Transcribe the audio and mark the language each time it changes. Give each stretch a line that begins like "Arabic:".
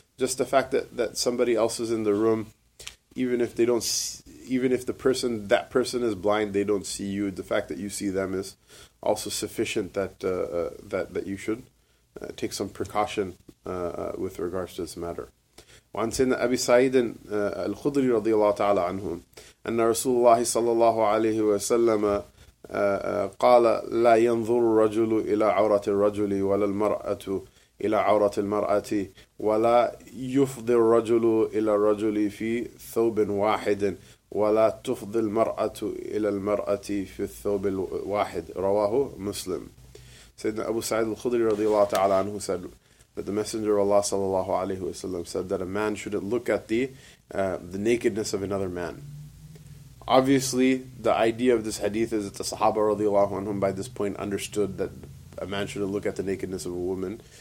English: Just the fact that somebody else is in the room, even if they don't see. Even if that person is blind, they don't see you. The fact that you see them is also sufficient that you should take some precaution with regards to this matter.
Arabic: وعن سيدنا أبي سعيد الخضري رضي الله تعالى عنهم أن رسول الله صلى الله عليه وسلم قال لا ينظر الرجل إلى عورة الرجل ولا المرأة إلى عورة المرأة ولا يفضي الرجل إلى الرجل في ثوب واحد وَلَا تُفْضِ الْمَرْأَةُ إِلَى الْمَرْأَةِ فِي الثَّوْبِ الْوَاحِدِ رَوَاهُ مُسْلِمْ.
English: Sayyidina Abu Sa'id al-Khudri radiallahu ta'ala anhu said that the Messenger of Allah sallallahu alayhi wa sallam said that a man shouldn't look at the nakedness of another man. Obviously, the idea of this hadith is that the Sahaba radiallahu anhum by this point understood that a man shouldn't look at the nakedness of a woman.